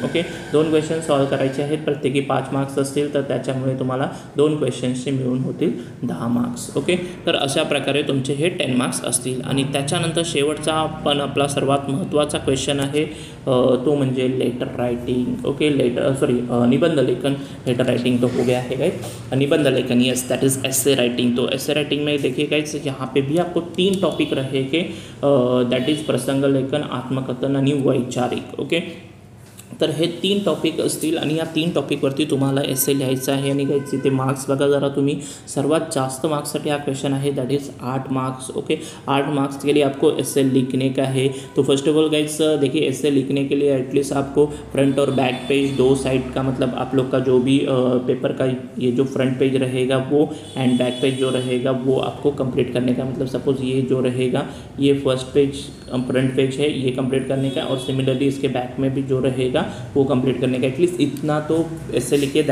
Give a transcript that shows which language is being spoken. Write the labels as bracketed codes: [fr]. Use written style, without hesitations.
[mr] Okay, 2 question solve करायचे आहेत, प्रत्येकी 5 मार्क्स असतील तर त्याच्यामुळे तुम्हाला 2 क्वेश्चन्सचे मिळून होतील 10 मार्क्स। ओके, तर अशा प्रकारे तुमचे हे 10 मार्क्स असतील। आणि त्याच्यानंतर शेवटचा पण आपला सर्वात महत्त्वाचा क्वेश्चन आहे, तो म्हणजे लेटर रायटिंग। [hi] ओके, निबंध लेखन, लेटर राइटिंग तो हो गया है, निबंध लेखन [en] Yes that is essay writing. [hi] तो एसे राइटिंग में देखिए गाइस यहाँ पे भी आपको 3 टॉपिक रहेंगे, दैट इज प्रसंग लेखन, आत्मकथन आणि वैचारिक। [mr] ओके, तर हे 3 टॉपिक असतील आणि या 3 टॉपिकवरती तुम्हाला एसे लिहायचं आहे। आणि काहीच इथे मार्क्स बघा जरा तुम्ही, सर्वात जास्त मार्क्ससाठी हा क्वेश्चन आहे, that is 8 marks. [hi] Okay, 8 marks के लिए आपको एसे लिखने का आहे। तो फर्स्ट ऑफ ऑल गाइज देखिए एसे लिखने के लिए ॲटलीस्ट आपको फ्रंट और बैक पेज 2 साइड का, मतलब आप लोग का जो भी पेपर का ये जो फ्रंट पेज रहेगा वो एंड बैक पेज जो रहेगा वो आपको कंप्लीट करने का, मतलब सपोज ये जो रहेगा ये फर्स्ट पेज फ्रंट पेज है ये कंप्लीट करने का, और सिमिलरली इसके बैक में भी जो रहेगा वो कंप्लीट करने का, एटलीस्ट इतना तो ऐसे लिखिए।